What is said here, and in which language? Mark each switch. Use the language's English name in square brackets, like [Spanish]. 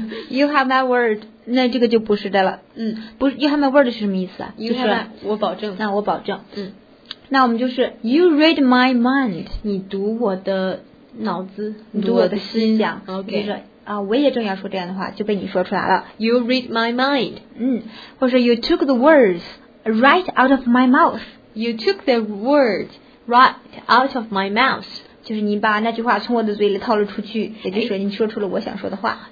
[Chinese] You have my word. 那这个就不是的了。嗯，不是 ， You have my word 是什么意思啊？就是我保证。那我保证。嗯，那我们就是 You read my mind. 你读我的脑子，你读我的心想。 [English] OK。 [Chinese] 我也正要说这样的话，就被你说出来了。 [English] You read my mind. 嗯，或者 You took the words right out of my mouth. You took the word right out of my mouth. [Chinese] 就是你把那句话从我的嘴里套了出去，也就是说你说出了我想说的话。